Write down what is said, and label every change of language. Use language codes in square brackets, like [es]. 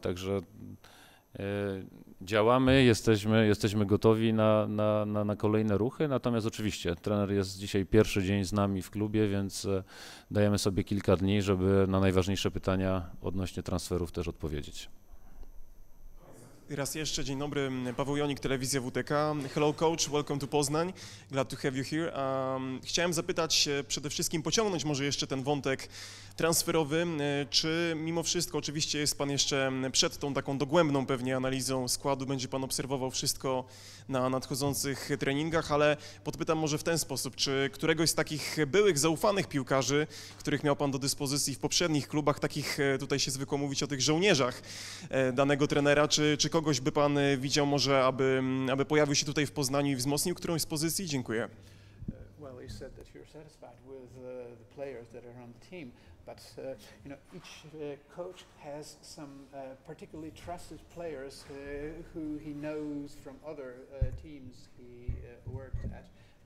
[pl] Także działamy, jesteśmy gotowi na kolejne ruchy, natomiast oczywiście trener jest dzisiaj pierwszy dzień z nami w klubie, więc dajemy sobie kilka dni, żeby na najważniejsze pytania odnośnie transferów też odpowiedzieć. Raz jeszcze, dzień dobry, Paweł Jonik, Telewizja WTK. [en] Hello coach, welcome to Poznań, glad to have you here. [pl] Chciałem zapytać, przede wszystkim pociągnąć może jeszcze ten wątek transferowy, czy mimo wszystko, oczywiście jest pan jeszcze przed tą taką dogłębną pewnie analizą składu, będzie pan obserwował wszystko na nadchodzących treningach, ale podpytam może w ten sposób, czy któregoś z takich byłych, zaufanych piłkarzy, których miał pan do dyspozycji w poprzednich klubach, takich tutaj się zwykło mówić o tych żołnierzach danego trenera, czy kogoś by pan widział może, aby pojawił się tutaj w Poznaniu i wzmocnił którąś z pozycji? Dziękuję. [en] Well, you said that you're satisfied with the players that are on the team, but you know, each coach has some particularly trusted players who he knows from other teams he worked at.